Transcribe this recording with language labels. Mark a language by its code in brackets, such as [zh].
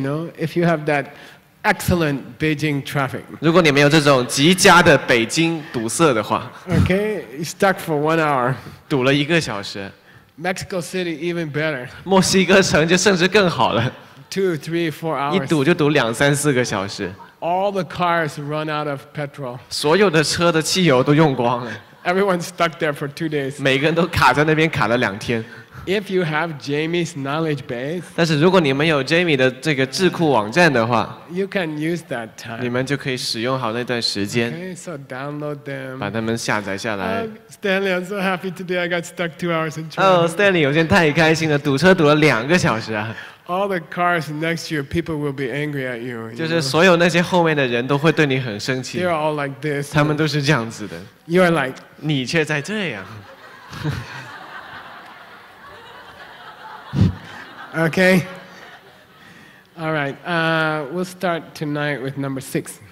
[en] You know, if you have that excellent Beijing traffic. [zh] 如果你没有这种极佳的北京堵塞的话。 [en] Okay, you're stuck for 1 hour. [zh] 堵了一个小时。 [en] Mexico City even better. [zh] 墨西哥城就甚至更好了。 [en] 2-4 hours. [zh] 一堵就堵两三四个小时。 [en] All the cars run out of petrol. [zh] 所有的车的汽油都用光了。 [en] Everyone's stuck there for 2 days. [zh] 每个人都卡在那边卡了两天。 [en] If you have Jamie's knowledge base. [zh] 但是如果你们有 Jamie 的这个智库网站的话。 [en] You can use that time. [zh] 你们就可以使用好那段时间。 [en] Okay, so download them. [zh] 把它们下载下来。 [en] Stanley, I'm so happy today. I got stuck 2 hours in traffic. [zh] Oh, Stanley, 我今天太开心了，堵车堵了两个小时啊。 [en] All the cars next year, people will be angry at you. [zh] 就是所有那些后面的人都会对你很生气。 [en] They're all like this. [zh] 他们都是这样子的。 [en] You are like. [zh] 你却在这样。 [en] Okay. All right. We'll start tonight with number six.